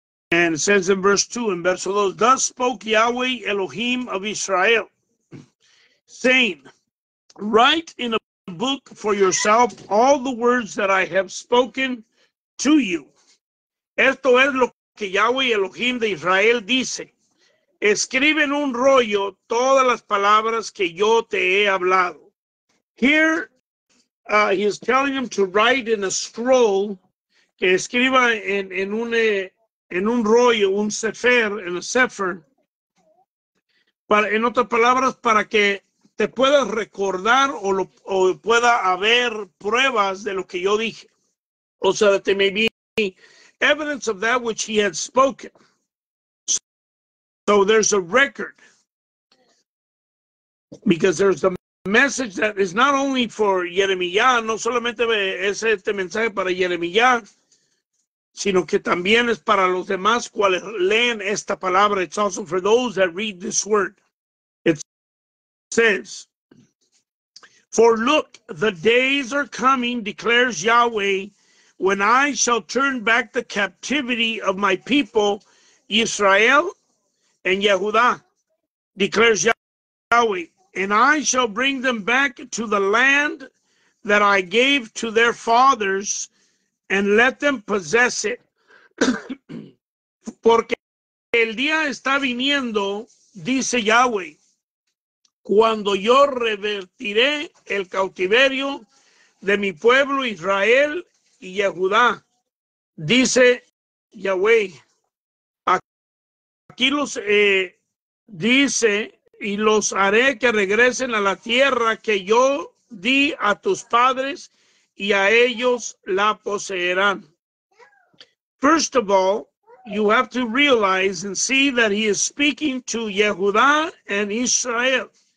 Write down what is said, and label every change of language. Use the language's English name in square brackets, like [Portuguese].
[English] And it says in verse 2, in verse 2, thus spoke Yahweh Elohim of Israel, saying, write in a book for yourself all the words that I have spoken to you. [Spanish] Esto es lo que Yahweh Elohim de Israel dice. Escribe en un rollo todas las palabras que yo te he hablado. Here, [English] He is telling him to write in a scroll, [Spanish] que escriba en un rollo, un sefer, en el sefer. Para, en otras palabras, para que te puedas recordar o pueda haber pruebas de lo que yo dije. O sea, [English] that there may be evidence of that which he had spoken. So there's a record. Because there's a message that is not only for Jeremiah, [Spanish] no solamente es este mensaje para Jeremiah, sino que también es para los demás cuales leen esta palabra. [English] It's also for those that read this word. It says, for look, the days are coming, declares Yahweh, when I shall turn back the captivity of my people, Israel and Yehuda, declares Yahweh, and I shall bring them back to the land that I gave to their fathers, and let them possess it. [Spanish] Porque el día está viniendo, dice Yahweh, cuando yo revertiré el cautiverio de mi pueblo Israel y Yehudá, dice Yahweh. Aquí los dice, y los haré que regresen a la tierra que yo di a tus padres, y a ellos la poseerán. [English] First of all, you have to realize and see that he is speaking to Yehudá and Israel.